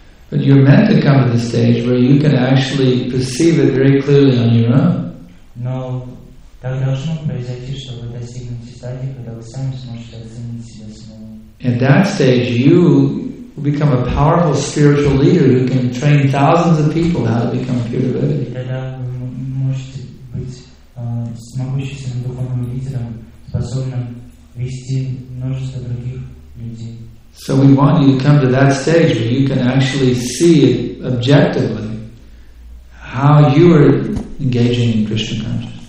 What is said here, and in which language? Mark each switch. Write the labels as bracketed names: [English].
[English] But you're meant to come to the stage where you can actually perceive it very clearly on your own. [Russian] No, так должно произойти, чтобы достигнуть стадии, когда вы сами сможете оценить себя самого. [English] At that stage, you will become a powerful spiritual leader who can train thousands of people how to become pure devotee. [Russian] Тогда вы можете быть могущественным духовным лидером, способным вести множество других людей. [English] So we want you to come to that stage where you can actually see objectively how you are engaging in Krishna